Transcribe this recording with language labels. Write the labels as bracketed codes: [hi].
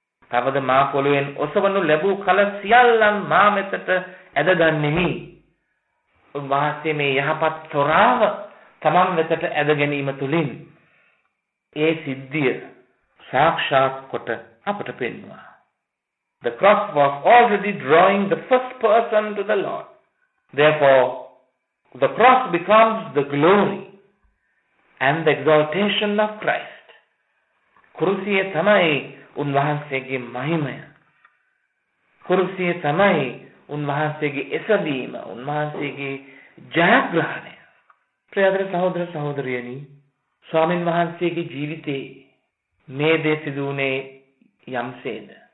[si] තවද මා පොළොවෙන් ඔසවනු ලැබූ කල සියල්ලන් මා මෙතට ඇදගන්නෙමි. උන්වහන්සේ මේ යහපත් සොරාව තමන් වෙතට ඇද ගැනීම තුළින් ඒ සිද්ධිය සාක්ෂාත් කොට අපට පෙන්වුවා. [en] The cross was already drawing the first person to the Lord. Therefore, the cross becomes the glory and the exaltation of Christ. [si] කුරුසිය තමයි උන්වහන්සේගේ මහිමය. කුරුසිය තමයි උන්වහන්සේගේ එසවීම, උන්වහන්සේගේ ජයග්‍රහණය. ප්‍රියතර සහෝදර සහෝදරියනි, ස්වාමීන් වහන්සේගේ ජීවිතේ මේ දේ සිදු වුණේ යම්සේද?